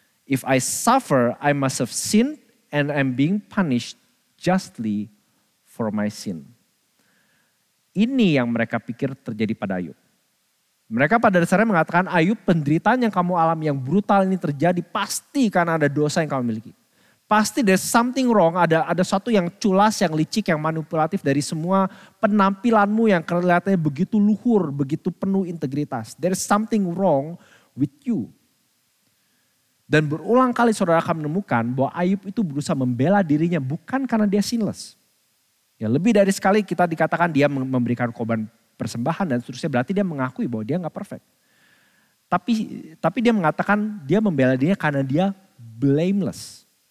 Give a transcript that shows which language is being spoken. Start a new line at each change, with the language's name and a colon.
English: If I suffer, I must have sinned and I'm being punished justly for my sin.
Indonesian: Ini yang mereka pikir terjadi pada Ayub. Mereka pada dasarnya mengatakan, Ayub, penderitaan yang kamu alami yang brutal ini terjadi pasti karena ada dosa yang kamu miliki. Pasti
English: there's something wrong,
Indonesian: ada sesuatu yang culas, yang licik, yang manipulatif dari semua penampilanmu yang kelihatannya begitu luhur, begitu penuh integritas.
English: There's something wrong with you.
Indonesian: Dan berulang kali saudara akan menemukan bahwa Ayub itu berusaha membela dirinya bukan karena dia sinless. Ya, lebih dari sekali kita dikatakan dia memberikan korban persembahan dan seterusnya, berarti dia mengakui bahwa dia gak perfect. Tapi dia mengatakan dia membela dirinya karena dia blameless.